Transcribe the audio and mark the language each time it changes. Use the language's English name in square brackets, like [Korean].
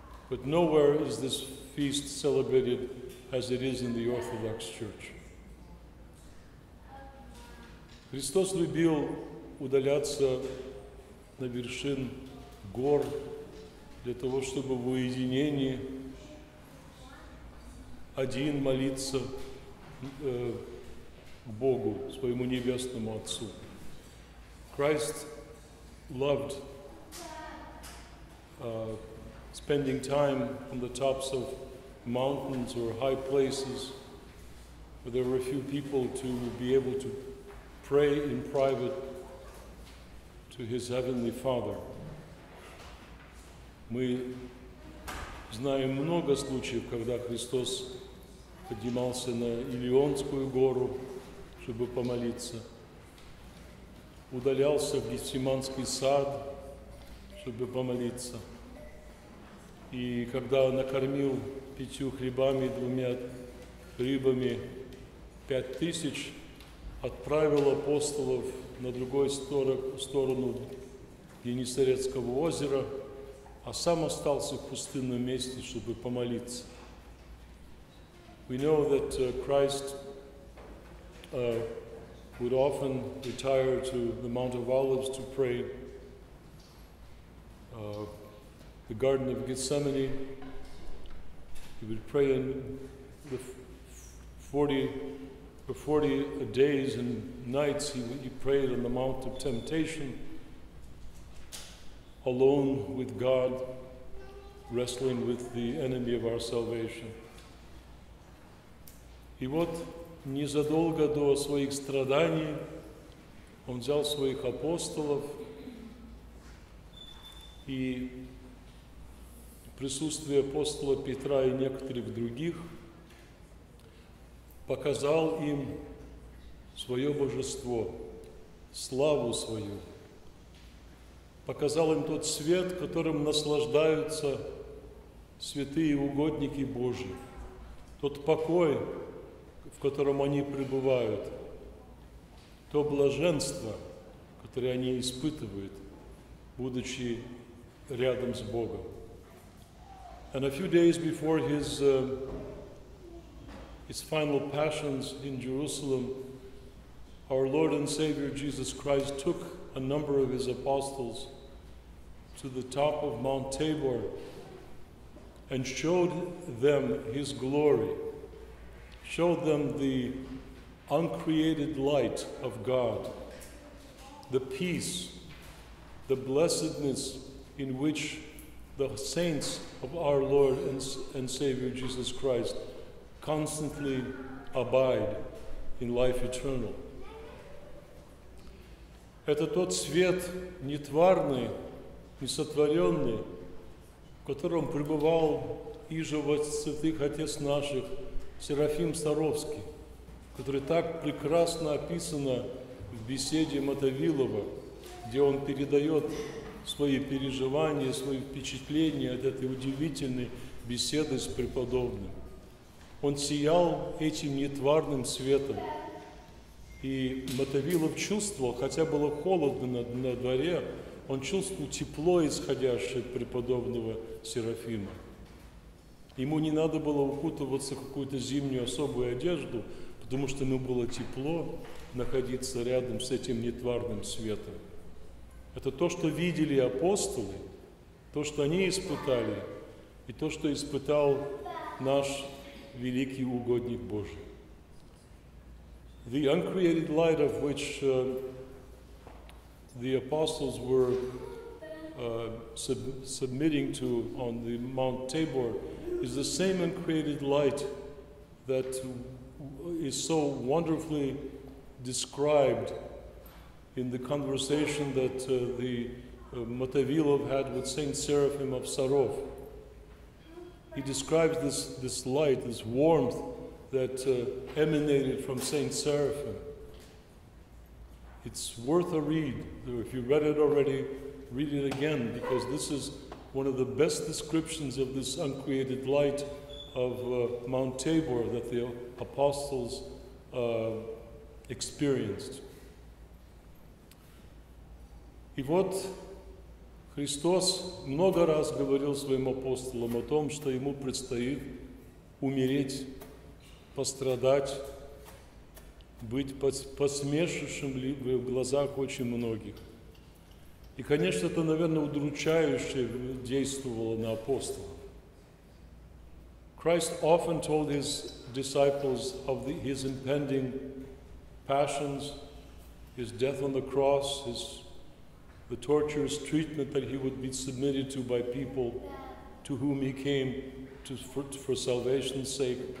[English] But nowhere is this feast celebrated as it is in the Orthodox Church. [Russian] Христос любил удаляться на вершин гор для того, чтобы в уединении один молиться Богу, своему небесному Отцу. [English] Christ loved spending time on the tops of mountains or high places where there were few people to be able to pray in private to His Heavenly Father. [Russian] Мы знаем много случаев, когда Христос поднимался на Елеонскую гору, чтобы помолиться, удалялся в Гефсиманский сад, чтобы помолиться, и когда накормил 5 хлебами и 2 рыбами 5000, отправил апостолов на другой сторону Генисарецкого озера, а сам остался в пустынном месте, чтобы помолиться. [English] We know that Christ would often retire to the Mount of Olives to pray, the Garden of Gethsemane. He would pray in the 40 days and nights. He prayed on the Mount of Temptation, alone with God, wrestling with the enemy of our salvation. [Russian] И вот незадолго до своих страданий он взял своих апостолов и в присутствии апостола Петра и некоторых других показал им свое божество, славу свою, показал им тот свет, которым наслаждаются святые угодники Божьи, тот покой, в котором они пребывают, то блаженство, которое они испытывают, будучи рядом с Богом. [English] And a few days before his final passions in Jerusalem, our Lord and Savior Jesus Christ took a number of his apostles to the top of Mount Tabor and showed them his glory. Showed them the uncreated light of God, the peace, the blessedness in which the saints of our Lord and Savior Jesus Christ constantly abide in life eternal. [Russian] Это тот свет нетварный, несотворенный, в котором пребывал иже во святых отец наших, Серафим Саровский, который так прекрасно описано в беседе Мотовилова, где он передает свои переживания, свои впечатления от этой удивительной беседы с преподобным. Он сиял этим нетварным светом, и Мотовилов чувствовал, хотя было холодно на дворе, он чувствовал тепло, исходящее от преподобного Серафима. Ему не надо было укутываться в какую-то зимнюю особую одежду, потому что ему было тепло находиться рядом с этим нетварным светом. Это то, что видели апостолы, то, что они испытали, и то, что испытал наш великий угодник Божий. [English] The uncreated light of which the apostles were submitting to on the Mount Tabor is the same uncreated light that is so wonderfully described in the conversation that the Matavilov had with Saint Seraphim of Sarov. He describes this light, this warmth that emanated from Saint Seraphim. It's worth a read. If you read it already, read it again, because this is one of the best descriptions of this uncreated light of Mount Tabor that the apostles experienced. [Russian] И вот Христос много раз говорил своим апостолам о том, что ему предстоит умереть, пострадать, быть посмешищем в глазах очень многих. И, конечно, это, наверное, удручающе действовало на апостолов. [English] Christ often told his disciples of his impending passions, his death on the cross, the torturous treatment that he would be submitted to by people to whom he came for salvation's sake.